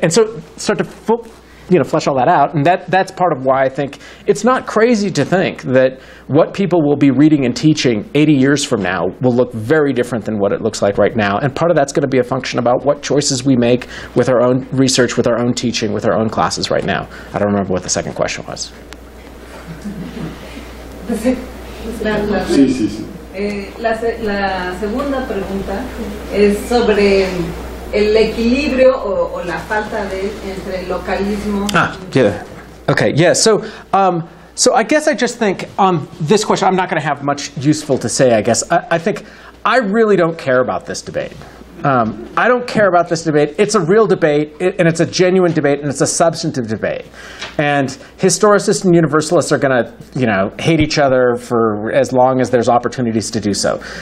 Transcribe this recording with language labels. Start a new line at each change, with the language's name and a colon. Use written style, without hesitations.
English: And so start to flesh all that out. And that's part of why I think it's not crazy to think that what people will be reading and teaching 80 years from now will look very different than what it looks like right now. And part of that's going to be a function about what choices we make with our own research, with our own teaching, with our own classes right now. I don't remember what the second question was.
Spanish: La segunda pregunta es sobre el equilibrio o la falta de entre localismo.
English: Okay. Yeah. So I guess I just think on this question, I'm not going to have much useful to say. I guess I think I really don't care about this debate. I don't care about this debate. It's a real debate, and it's a genuine debate, and it's a substantive debate. And historicists and universalists are going to, hate each other for as long as there's opportunities to do so.